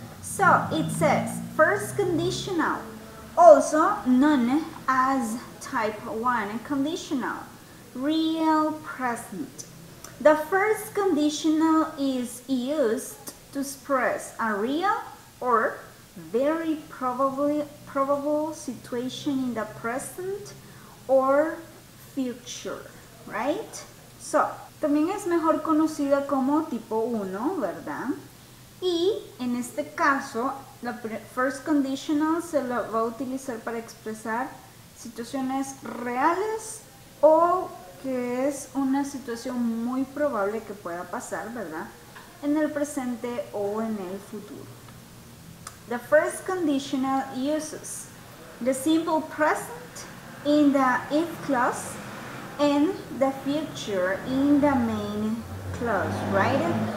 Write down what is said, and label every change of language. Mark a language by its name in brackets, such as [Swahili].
[English] So, it says first conditional, also known as type 1 conditional, real present. The first conditional is used to express a real or very probable situation in the present or future, right? [Spanish] So, también es mejor conocida como tipo 1, ¿verdad? Y en este caso, la first conditional se la va a utilizar para expresar situaciones reales o que es una situación muy probable que pueda pasar, ¿verdad? En el presente o en el futuro. [English] The first conditional uses the simple present in the if clause and the future in the main clause, right?